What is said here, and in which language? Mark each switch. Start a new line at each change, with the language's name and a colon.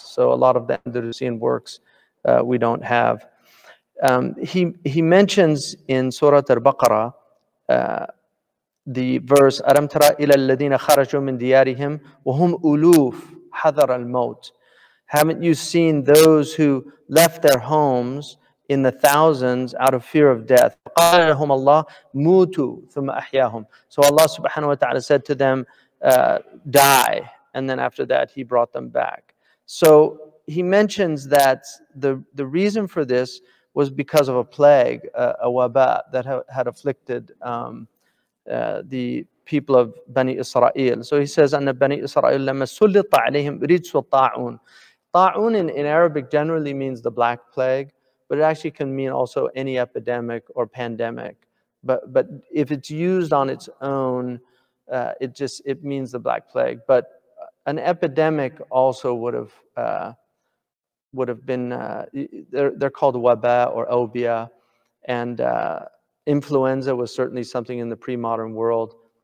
English: So a lot of the Andalusian works we don't have. He mentions in Surah al-Baqarah the verse,
Arabic: أَلَمْ تَرَى إِلَى الَّذِينَ خَرَجُوا مِنْ دِيَارِهِمْ وَهُمْ أُلُوف حَذَرَ الْمَوْتِ.
English: Haven't you seen those who left their homes in the thousands out of fear of death?
Arabic: قَالَ لَهُمَ اللَّهُ مُوتُوا ثُمَّ أَحْيَاهُمْ.
English: So Allah subhanahu wa ta'ala said to them, die. And then after that, he brought them back. So he mentions that the reason for this was because of a plague, a waba, that had afflicted the people of Bani Israel. So he says,
Arabic: أَنَّ بَنِي إِسْرَائِيلَ لَمَّا سُلِّطَ عَلَيْهِمْ رِجْسُ وَالطَّاعُونَ.
English: طَاعُون in Arabic generally means the black plague, but it actually can mean also any epidemic or pandemic. But if it's used on its own, it means the black plague. But an epidemic also would have been, they're called waba or obia, and influenza was certainly something in the pre-modern world.